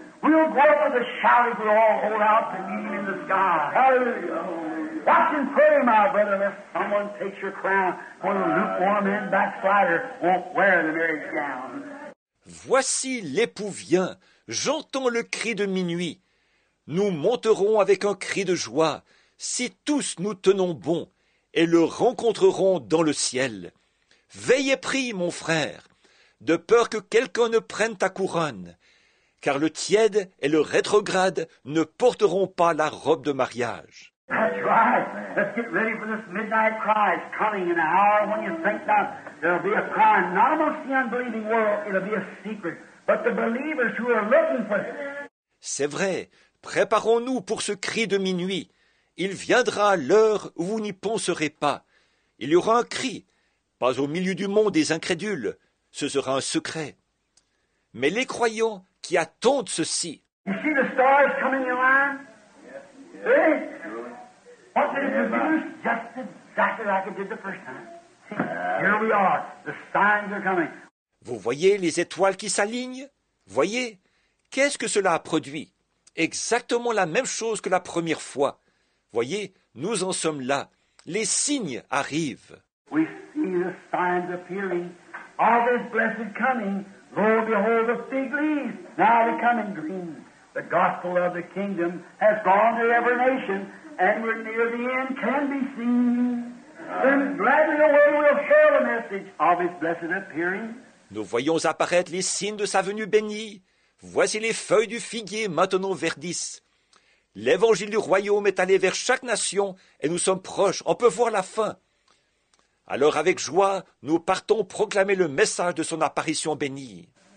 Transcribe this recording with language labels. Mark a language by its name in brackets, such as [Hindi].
[English] We'll go up with a shout, we'll all hold out the beam in the sky. Hallelujah. Watch and pray, my brother, lest someone takes your crown, for the lukewarm and backslider won't wear the very gown. [French] Voici l'époux vient, j'entends le cri de minuit. Nous monterons avec un cri de joie, si tous nous tenons bon, et le rencontrerons dans le ciel. Veille et prie, mon frère, de peur que quelqu'un ne prenne ta couronne, car le tiède et le rétrograde ne porteront pas la robe de mariage. [English] That's right. Let's get ready for this midnight cry. It's coming in an hour when you think that there'll be a cry, not amongst the unbelieving world, it'll be a secret, but the believers who are looking for it. [French] C'est vrai. Préparons-nous pour ce cri de minuit. Il viendra l'heure où vous n'y penserez pas. Il y aura un cri. Pas au milieu du monde des incrédules, ce sera un secret. Mais les croyants qui attendent ceci. [English] You see the stars coming in line? Yeah. Yeah. See? What did it do? Just exactly like it did the first time. See? Here we are. The signs are coming. [French] Vous voyez les étoiles qui s'alignent? Voyez? Qu'est-ce que cela a produit? exactement la même chose que la première fois. Voyez, nous en sommes là. Les signes arrivent. [English] We see the signs appearing of his blessed coming. Lo, behold, the fig leaves now becoming green. The gospel of the kingdom has gone to every nation, and we're near the end, can be seen. Then gladly away we'll share the message of his blessed appearing. [French] Nous voyons apparaître les signes de sa venue bénie. Voici les feuilles du figuier maintenant verdissent. L'évangile du royaume est allé vers chaque nation et nous sommes proches, on peut voir la fin. Alors avec joie, nous partons proclamer le message de son apparition bénie.